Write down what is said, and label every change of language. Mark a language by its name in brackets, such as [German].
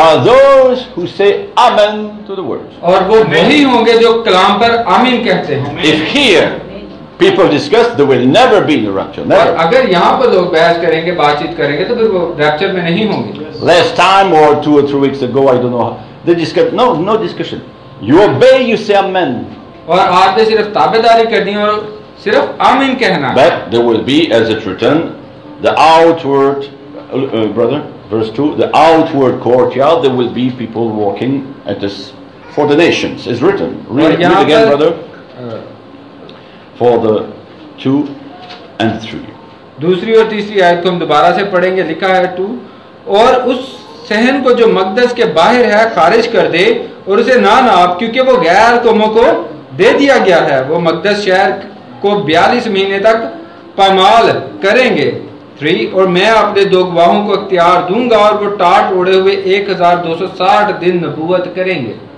[English] are those who say amen to the words [Hindi] और वो वही होंगे जो कलाम पर आमीन कहते हैं [English] if here people discuss they will never be in the rapture never [Hindi] अगर यहां पर लोग बहस करेंगे बातचीत करेंगे तो फिर वो रैप्चर में नहीं होंगे [English] last time or 2 or 3 weeks ago I don't know they discussed no discussion you obey you say amen [Hindi] और आपने सिर्फ ताबेदारी करनी और सिर्फ आमीन कहना [English] but there will be as it written the outward brother verse 2 the outward courtyard there will be people walking at this for the nations is written read again brother for the 2 and 3 [Hindi] dusri aur teesri ayat ko hum dobara se padhenge likha hai 2 और उस सहन को जो मकदस के बाहर है खारिज कर दे और उसे ना नाप, क्योंकि वो गैर कौमों को दे दिया गया है। वो मकदस शहर को 42 महीने तक पामाल करेंगे। 3, और मैं अपने दो गवाहों को अख्तियार दूंगा और वो टाट ओढ़े हुए 1260 दिन नबूवत करेंगे।